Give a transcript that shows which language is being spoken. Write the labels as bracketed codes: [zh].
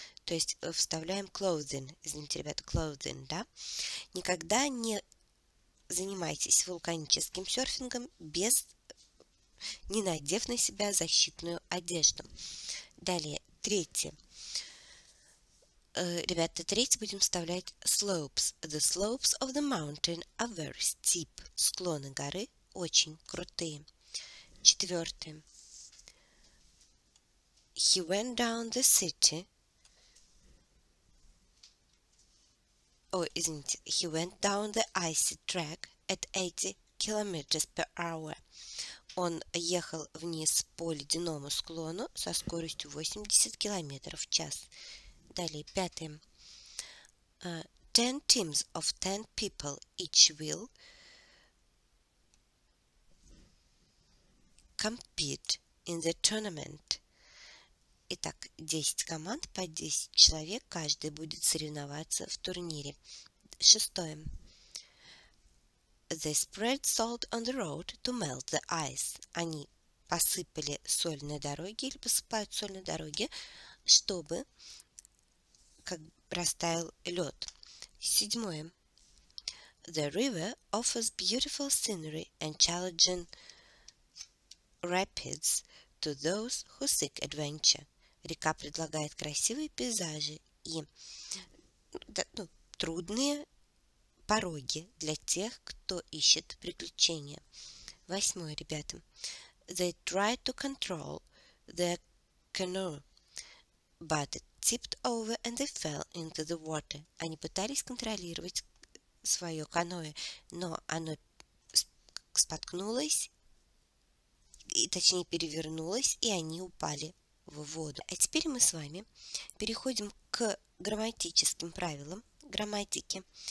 [ru] То есть вставляем clothing. Извините, ребята, clothing, да? Никогда не занимайтесь вулканическим серфингом, без не надев на себя защитную одежду. Далее, третье. Ребята, третье будем вставлять slopes. [en] The slopes of the mountain are very steep. [ru] Склоны горы очень крутые. Четвертое. [en] He went down the city. He went down the icy track at 80 kilometers per hour. [ru] Он ехал вниз по ледяному склону со скоростью 80 километров в час. Далее, пятое. [en] 10 teams of 10 people each will compete in the tournament. [ru] Итак, 10 команд по 10 человек, каждый будет соревноваться в турнире. Шестое. [en] They spread salt on the road to melt the ice. [ru] Они посыпали соль на дороге или посыпают соль на дороге, чтобы как растаял лед. Седьмое. [en] The river offers beautiful scenery and challenging rapids to those who seek adventure. [ru] Река предлагает красивые пейзажи и трудные пороги для тех, кто ищет приключения. Восьмое, ребята. [en] They tried to control the canoe, but it tipped over and they fell into the water. [ru] Они пытались контролировать свое каноэ, но оно споткнулось, и, точнее, перевернулось, и они упали в воду. А теперь мы с вами переходим к грамматическим правилам грамматики.